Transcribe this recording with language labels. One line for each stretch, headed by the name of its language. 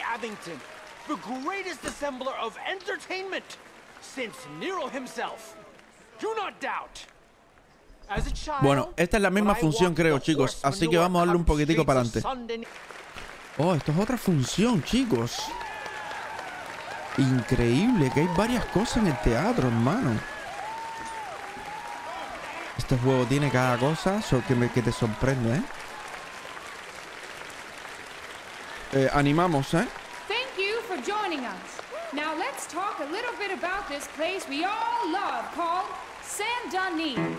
English: Abington, the greatest assembler of entertainment since Nero himself. Do not doubt. As a child,
Spanish: bueno, esta es la misma función, creo, chicos. Así que vamos a darle un poquitico para adelante. Oh, esto es otra función, chicos. Increíble que hay varias cosas en el teatro, hermano. Este juego tiene cada cosa que te sorprende, ¿eh? Animamos, ¿eh?
English: Thank you for joining us. Now let's talk a little bit about this place we all love called Saint Denis.